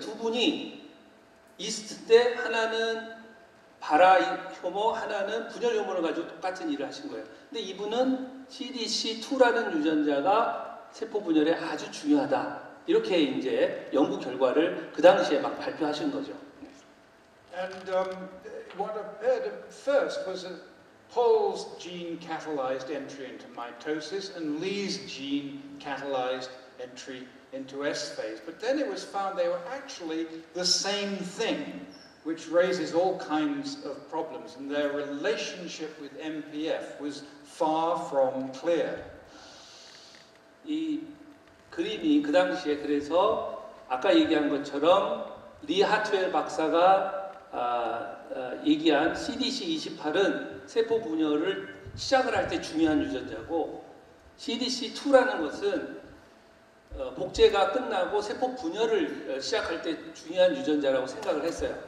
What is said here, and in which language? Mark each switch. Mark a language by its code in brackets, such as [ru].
[ko] 두 분이 이스트 때 하나는 바라 효모, 하나는 분열 효모를 가지고 똑같은 일을 하신 거예요. 근데 이분은 CDC2라는 유전자가 세포 분열에 아주 중요하다 이렇게 이제 연구 결과를 그 당시에 막 발표하신 거죠. [en] And what appeared first was a Paul's gene catalyzed entry into mitosis and Lee's gene catalyzed entry into S phase. But then it was found they were actually the same thing, which raises all kinds of problems, and their relationship with MPF was far from clear. [ko] 이 그림이 그 당시에 그래서 아까 얘기한 것처럼 리 하트웰 박사가 얘기한 CDC28은 세포 분열을 시작을 할 때 중요한 유전자고 CDC2라는 것은 복제가 끝나고 세포 분열을 시작할 때 중요한 유전자라고 생각을 했어요.